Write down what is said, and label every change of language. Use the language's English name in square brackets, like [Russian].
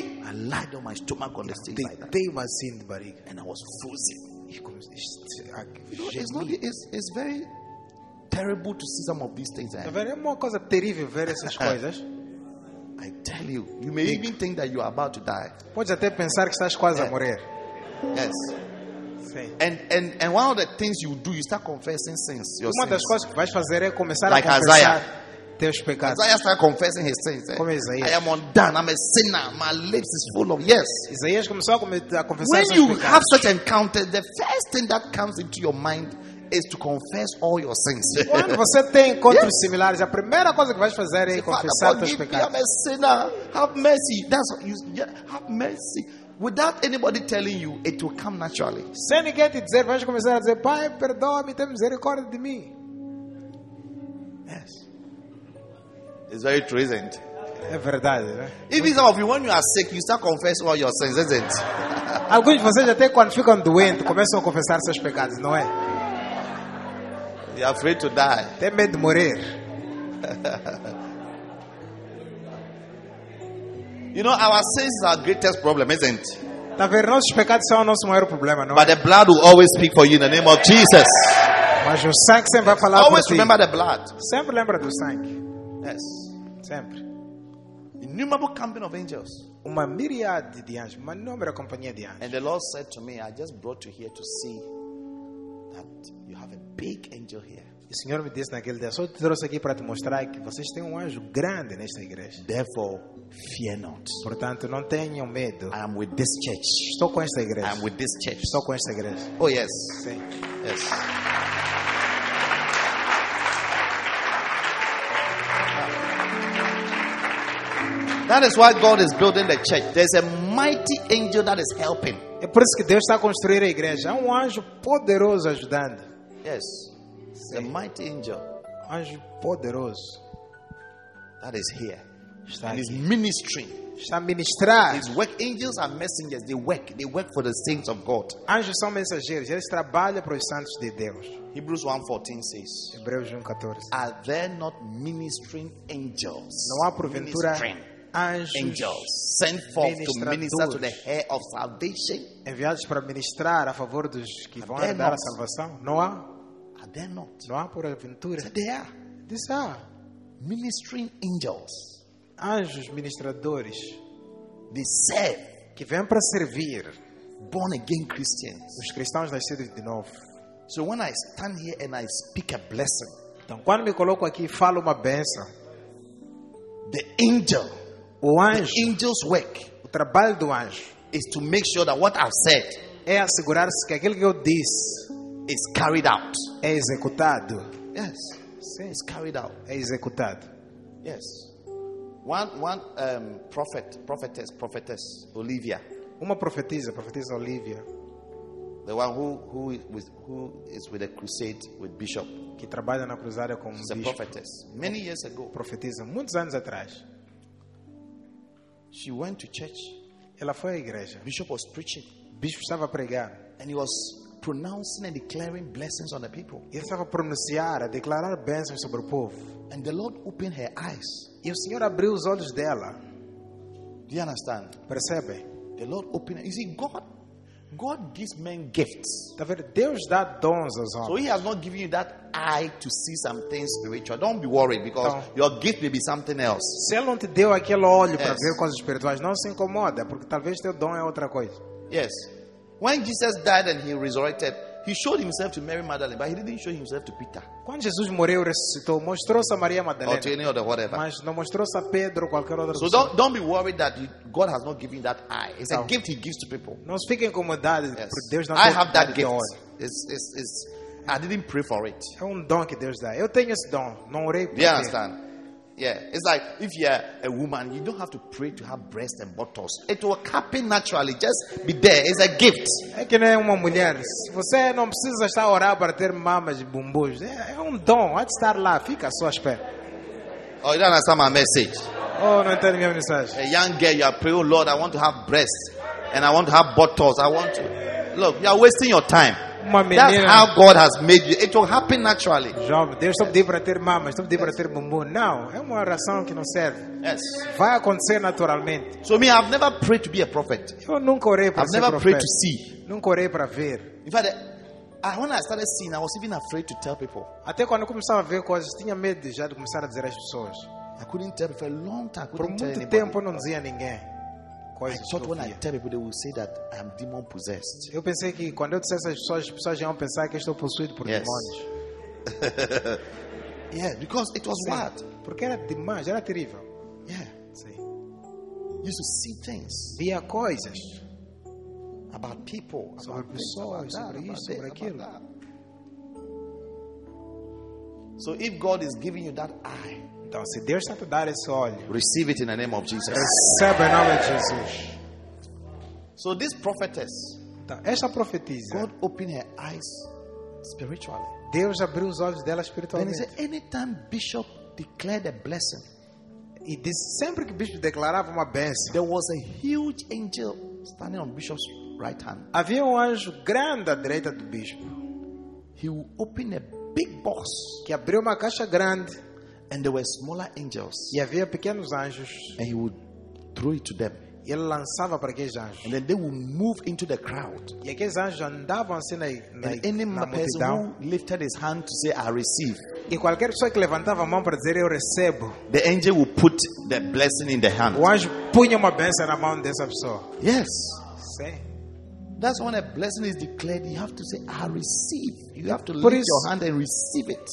[English] I lied on my stomach on the stage like that. [Portuguese] Deitei uma assim de barriga. [English] And I was frozen. It's very terrible to see some of these things. [Portuguese] É uma coisa terrível ver essas coisas. [English] I tell you, you may even think that you are about to die. [Portuguese] Pode até pensar que estás quase a morrer. [English] Yes. [Portuguese] Sim. [English] And one of the things you do, you start confessing sins. [Portuguese] Uma das coisas que vais fazer é começar [English] like [Portuguese] a confessar. [English] Like Isaiah. Isaiah started confessing his sins. Eh? I am undone. I'm a sinner. My lips is full of yes. [Portuguese] Isaiah começou a confessar seus pecados. [English] When you have such encounters, the first thing that comes into your mind is to confess all your sins. [Portuguese] Quando você tem encontros similares, a primeira coisa que vai fazer é confessar seus pecados. [English] I'm a sinner. Have mercy. That's what you have mercy. Without anybody telling you, it will come naturally. [Portuguese] Sem ninguém te dizer, vai começar a dizer, Pai, perdoa-me, tem misericórdia de mim. [English] Yes. It's very true, isn't it? [Portuguese] É verdade, né? [English] Even some of you, when you are sick, you start confessing all your sins, isn't it? [Portuguese] Alguns de vocês até quando ficam doentes começam a confessar seus pecados, não é? [English] You are afraid to die. [Portuguese] Tem medo de morrer. [English] You know, our sins are our greatest problem, isn't it? [Portuguese] Tá vendo, nossos pecados são o nosso maior problema, não é? [English] But the blood will always speak for you in the name of Jesus. [Portuguese] Mas o sangue sempre vai falar por ti. [English] Always remember the blood. [Portuguese] Sempre lembra do sangue. [English] Yes. [Portuguese] Sempre. [English] Innumerable company of angels. [Portuguese] Uma miríade de anjos. Uma inúmera companhia de anjos. [English] And the Lord said to me, I just brought you here to see that you have a big angel here. [Portuguese] E o Senhor me disse naquele dia, só te trouxe aqui para te mostrar que vocês têm anjo grande nesta igreja. [English] Therefore, fear not. [Portuguese] Portanto, não tenham medo. [English] I am with this church. [Portuguese] Estou com esta igreja. [English] I am with this church. [Portuguese] Estou com esta igreja. [English] Oh, yes. [Portuguese] Sim. [English] Yes. That is why God is building the church. There's a mighty angel that is helping. [Portuguese] É por isso que Deus está construindo a igreja. Há anjo poderoso ajudando. [English] Yes. [Portuguese] Sim. [English] The mighty angel. [Portuguese] Anjo poderoso. [English] That is here. [Portuguese] Está [English] and is ministering. [Portuguese] Está a ministrar. [English] His work. Angels are messengers. They work. They work for the saints of God. [Portuguese] Anjos são mensageiros. Eles trabalham para os santos de Deus. [English] Hebrews 1:14 says. [Portuguese] Hebreus 1:14. [English] Are there not ministering angels? [Portuguese] Não há porventura ministering. Anjos [English] angels sent forth to minister to the heir of salvation. [Portuguese] Enviados para ministrar a favor dos que vão herdar a salvação. Não há. [English] Are there not? [Portuguese] Não há porventura. [English] So there are. These are ministering angels. [Portuguese] Anjos ministradores. [English] They serve. [Portuguese] Que vêm para servir. [English] Born again Christians. [Portuguese] Os cristãos nascidos de novo. [English] So when I stand here and I speak a blessing, [Portuguese] então, quando me coloco aqui, falo uma bênção, [English] the angel, [Portuguese] o anjo, [English] the angel's work, [Portuguese] o trabalho do anjo, [English] is to make sure that what I've said, [Portuguese] é assegurar-se que aquilo que eu disse, [English] is carried out, [Portuguese] é executado. [English] Yes, [Portuguese] sim, [English] it's carried out, [Portuguese] é executado. [English] Yes, one prophet, prophetess Olivia, [Portuguese] uma profetisa Olivia, [English] the one who is with a crusade with bishop, [Portuguese] que trabalha na cruzada com [English] bishop, a prophetess many years ago, [Portuguese] profetisa muitos anos atrás. [English] She went to church, [Portuguese] ela foi à igreja, [English] bishop was preaching, [Portuguese] bishop estava pregando, [English] and he was pronouncing and declaring blessings on the people. [Portuguese] Ele estava pronunciar, a declarar bênçãos sobre o povo. [English] And the Lord opened her eyes. [Portuguese] E o Senhor abriu os olhos dela. [English] Do you understand? [Portuguese] Percebe? [English] The Lord opened. You see, God gives men gifts. [Portuguese] Tá vendo? Deus dá dons aos homens. [English] So He has not given you that eye to see some things spiritual. Don't be worried because então, your gift may be something else. [Portuguese] Se ele não te deu aquele olho, yes, para ver coisas espirituais, não se incomoda, porque talvez teu dom é outra coisa. [English] Yes. When Jesus died and he resurrected, he showed himself to Mary Magdalene, but he didn't show himself to Peter. [Portuguese] Quando Jesus morreu e ressuscitou, mostrou-se a Maria Madalena. [English] Or to any other whatever. [Portuguese] Mas não mostrou-se a Pedro ou qualquer outra pessoa. [English] So don't be worried that God has not given that eye. It's a gift He gives to people. [Portuguese] Não fique incomodado, [English] yes, [Portuguese] porque Deus não [English] tem. I have that gift. It's I didn't pray for it. [Portuguese] É dom que Deus dá. Eu tenho esse dom. Não orei por [English] ele. You understand? Yeah, it's like if you're a woman, you don't have to pray to have breasts and buttocks. It will happen naturally. Just be there. It's a gift. [Portuguese] É que nem uma mulher. Você não precisa estar a orar para ter mamas e bumbos. É dom. Pode estar lá. Fica à sua espera. [English] Oh, you don't understand my message. [Portuguese] Oh, não entendo minha mensagem. [English] A young girl, you are praying, oh Lord, I want to have breasts. And I want to have buttocks. I want to. Look, you are wasting your time. That's how God has made you. It will happen naturally. [Portuguese] Jovem, Deus está pedindo para ter mamas, está pedindo para ter bumbum. Não, é uma oração que não serve. [English] Yes. [Portuguese] Vai acontecer naturalmente. [English] So me, I've never prayed to be a prophet. [Portuguese] Eu nunca orei para ser [English] profeta. I've never prayed to see. [Portuguese] Nunca orei para ver. [English] In fact, when I started seeing, I was even afraid to tell people. [Portuguese] Até quando eu começava a ver coisas, tinha medo já de começar a dizer às pessoas. [English] I couldn't tell for a long time. [Portuguese] Por muito tempo não dizia a ninguém. [English] I thought when I tell people, they will say that I am demon possessed. [Portuguese] Eu pensei que quando eu disser essas pessoas, as pessoas iam pensar que estou possuído por demônios. [English] Yeah, because it was what? [Portuguese] Porque era demais, era terrível. [English] Yeah. See. Used to see things. [Portuguese] Via coisas. [English] About people. [Portuguese] Sobre pessoas, sobre isso, sobre aquilo. That. [English] So if God is giving you that eye. [Portuguese] Então, se Deus está te dar esse olho, [English] receive it in the name of Jesus. [Portuguese] Receba em nome de Jesus. [English] So this prophetess, [Portuguese] então, esta profetisa, [English] God opened her eyes spiritually. [Portuguese] Deus abriu os olhos dela espiritualmente. [English] Then he said, anytime bishop declared a blessing, [Portuguese] e disse, sempre que bishop declarava uma bênção, [English] there was a huge angel standing on bishop's right hand. [Portuguese] Havia anjo grande à direita do bishop. [English] He opened a big box, [Portuguese] que abriu uma caixa grande. [English] And there were smaller angels. [Portuguese] E havia pequenos anjos. [English] And he would throw it to them. [Portuguese] E ele lançava para aqueles anjos. [English] And then they would move into the crowd. [Portuguese] E aqueles anjos andavam assim na multidão. [English] And any person who lifted his hand to say, I receive. [Portuguese] E qualquer pessoa que levantava a mão para dizer, eu recebo. [English] The angel would put the blessing in the hand. [Portuguese] O anjo punha uma bênção na mão dessa pessoa. [English] Yes. [Portuguese] Sim. [English] That's when a blessing is declared, you have to say, I receive. You have to lift your hand and receive it.